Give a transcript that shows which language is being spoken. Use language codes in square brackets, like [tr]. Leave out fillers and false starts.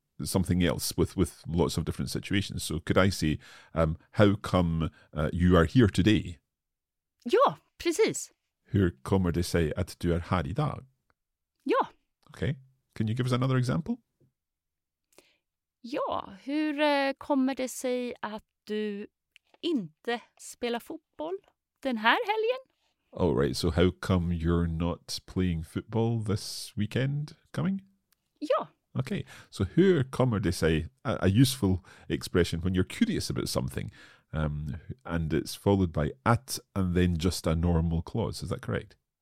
[en] something else with lots of different situations. So could I say, how come you are here today? [sv] Ja, precis. Hur kommer det sig att du är här idag? Ja. [en] Okay. Can you give us another example? [sv] Ja, hur kommer det sig att du inte spelar fotboll den här helgen? [en] Oh, right. So how come you're not playing football this weekend coming? [sv] Ja. [en] Okay. So [sv] hur kommer det sig, [en] a useful expression when you're curious about something, and it's followed by at and then just a normal clause. Is that correct?